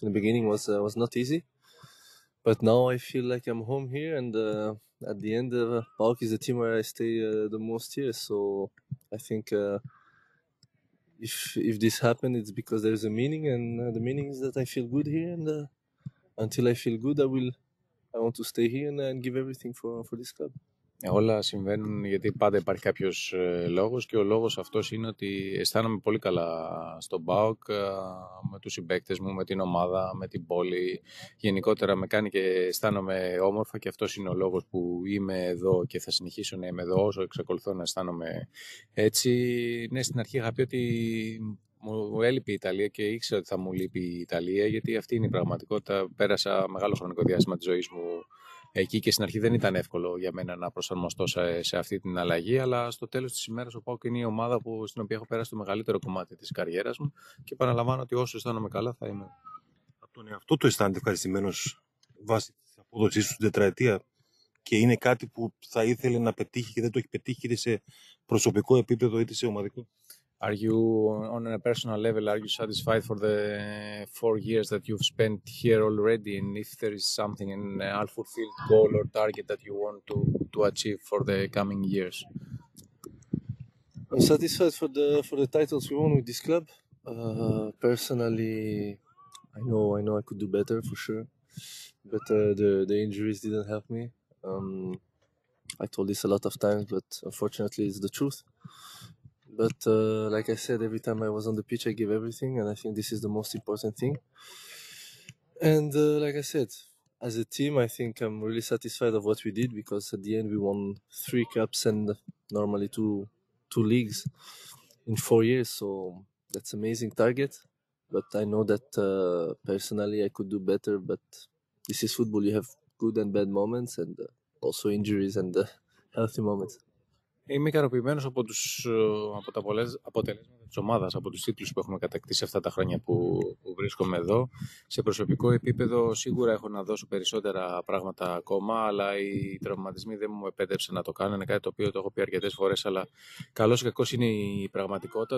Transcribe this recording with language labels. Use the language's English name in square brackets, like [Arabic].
[English] In the beginning was not easy. But now I feel like I'm home here, and at the end, PAOK is the team where I stay the most here. So I think if this happened, it's because there's a meaning, and the meaning is that I feel good here, and until I feel good, I want to stay here and give everything for this club. [Greek] Όλα συμβαίνουν γιατί πάντα υπάρχει κάποιος λόγος, και ο λόγος αυτός είναι ότι αισθάνομαι πολύ καλά στον ΠΑΟΚ, με τους συμπαίκτες μου, με την ομάδα, με την πόλη. Γενικότερα με κάνει και αισθάνομαι όμορφα, και αυτός είναι ο λόγος που είμαι εδώ και θα συνεχίσω να είμαι εδώ όσο εξακολουθώ να αισθάνομαι έτσι. Ναι, στην αρχή είχα πει ότι μου έλειπε η Ιταλία και ήξερα ότι θα μου λείπει η Ιταλία, γιατί αυτή είναι η πραγματικότητα. Πέρασα μεγάλο χρονικό διάστημα της ζωής μου εκεί, και στην αρχή δεν ήταν εύκολο για μένα να προσαρμοστώ σε αυτή την αλλαγή. Αλλά στο τέλος της ημέρας, ο ΠΑΟΚ είναι η ομάδα στην οποία έχω πέρασει το μεγαλύτερο κομμάτι της καριέρας μου. Και επαναλαμβάνω ότι όσο αισθάνομαι καλά, θα είμαι. Από τον εαυτό του αισθάνεται ευχαριστημένος βάσει τη απόδοσή σου στην τετραετία, και είναι κάτι που θα ήθελε να πετύχει και δεν το έχει πετύχει, είτε σε προσωπικό επίπεδο είτε σε ομαδικό? [English] Are you, on a personal level, are you satisfied for the 4 years that you've spent here already? And if there is something, an unfulfilled goal or target that you want to achieve for the coming years? I'm satisfied for the titles we won with this club. Personally, I know I could do better, for sure. But the injuries didn't help me. I told this a lot of times, but unfortunately it's the truth. But like I said, every time I was on the pitch, I gave everything, and I think this is the most important thing. And like I said, as a team, I think I'm really satisfied of what we did, because at the end we won 3 cups and normally two leagues in 4 years. So that's an amazing target. But I know that personally I could do better. But this is football. You have good and bad moments, and also injuries and healthy moments. [Greek] Είμαι ικανοποιημένος από τους αποτελέσματα της ομάδας, από τους τίτλους που έχουμε κατακτήσει αυτά τα χρόνια που βρίσκομαι εδώ. Σε προσωπικό επίπεδο σίγουρα έχω να δώσω περισσότερα πράγματα ακόμα, αλλά οι τραυματισμοί δεν μου επέτρεψαν να το κάνω. Είναι κάτι το οποίο το έχω πει αρκετές φορές, αλλά καλώς ή κακώς είναι η πραγματικότητα.